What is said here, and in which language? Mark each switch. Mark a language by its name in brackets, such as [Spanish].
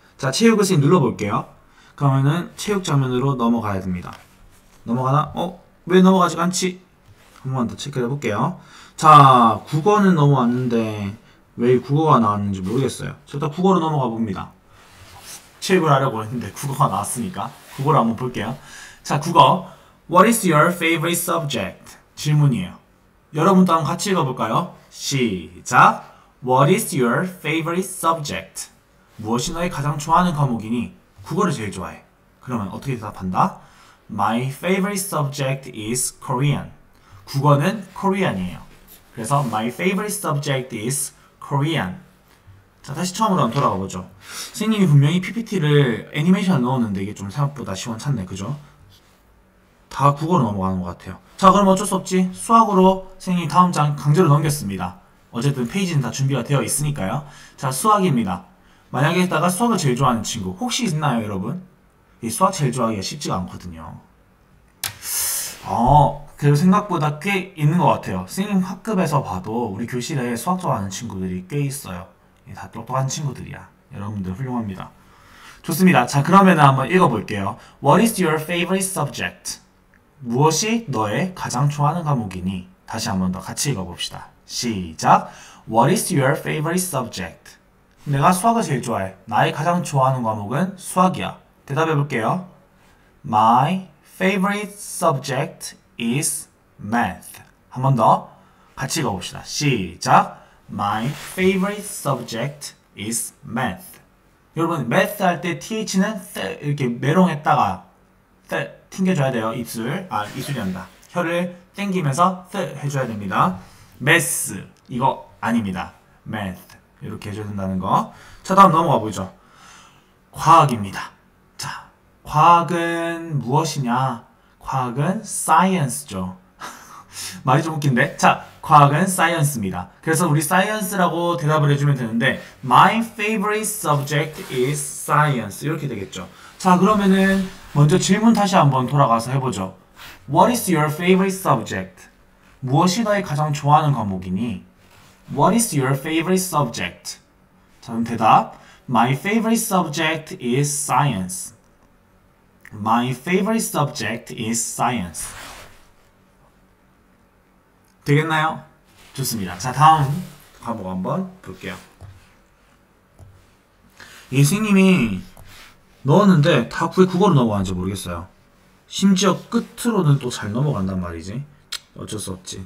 [Korean] 자, 체육을 선생님 눌러볼게요. 그러면은 체육 장면으로 넘어가야 됩니다. 넘어가나? 왜 넘어가지 않지? 한번더 체크해 볼게요. 자, 국어는 넘어왔는데 왜 국어가 나왔는지 모르겠어요. 일단 국어로 넘어가 봅니다. 체육을 하려고 했는데 국어가 나왔으니까 국어를 한번 볼게요. 자, 국어. [English] What is your favorite subject? [Korean] 질문이에요. 여러분도 한번 같이 읽어볼까요? 시작. [English] What is your favorite subject? [Korean] 무엇이 너의 가장 좋아하는 과목이니? 국어를 제일 좋아해. 그러면 어떻게 대답한다? [English] My favorite subject is Korean. [Korean] 국어는 Korean이에요. 그래서 My favorite subject is Korean. 자, 다시 처음으로 한번 돌아가 보죠. 선생님이 분명히 PPT를 애니메이션 넣었는데 이게 좀 생각보다 시원찮네, 그죠? 다 국어로 넘어가는 것 같아요. 자, 그럼 어쩔 수 없지. 수학으로 선생님이 다음 장 강제로 넘겼습니다. 어쨌든 페이지는 다 준비가 되어 있으니까요. 자, 수학입니다. 만약에 있다가 수학을 제일 좋아하는 친구, 혹시 있나요, 여러분? 이 수학 제일 좋아하기가 쉽지가 않거든요. 그래도 생각보다 꽤 있는 것 같아요. 선생님 학급에서 봐도 우리 교실에 수학 좋아하는 친구들이 꽤 있어요. 다 똑똑한 친구들이야. 여러분들 훌륭합니다. 좋습니다. 자, 그러면 한번 읽어볼게요. [English] What is your favorite subject? [Korean] 무엇이 너의 가장 좋아하는 과목이니? 다시 한번 더 같이 읽어봅시다. 시작. [English] What is your favorite subject? [Korean] 내가 수학을 제일 좋아해. 나의 가장 좋아하는 과목은 수학이야. 대답해 볼게요. [English] My favorite subject is math. [Korean] 한번 더. 같이 읽어봅시다. 시작. [English] My favorite subject is math. [Korean] 여러분, math 할때 th는 th, 이렇게 메롱했다가 th, 튕겨줘야 돼요. 입술. 아, 입술이란다. 혀를 당기면서 th 해줘야 됩니다. math. 이거 아닙니다. math. 이렇게 해줘야 된다는 거. 자, 다음 넘어가 보죠. 과학입니다. 과학은 무엇이냐? 과학은 사이언스죠. 말이 좀 웃긴데? 자, 과학은 사이언스입니다. 그래서 우리 사이언스라고 대답을 해주면 되는데, [English] My favorite subject is science. [Korean] 이렇게 되겠죠. 자, 그러면은 먼저 질문 다시 한번 돌아가서 해보죠. [English] What is your favorite subject? [Korean] 무엇이 너의 가장 좋아하는 과목이니? [English] What is your favorite subject? [Korean] 자, 그럼 대답. [English] My favorite subject is science. My favorite subject is science. [Korean] 되겠나요? 좋습니다. 자, 다음 과목 한번 볼게요. 예수님이 넣었는데 다 왜 국어로 넘어가는지 모르겠어요. 심지어 끝으로는 또잘 넘어간단 말이지. 어쩔 수 없지.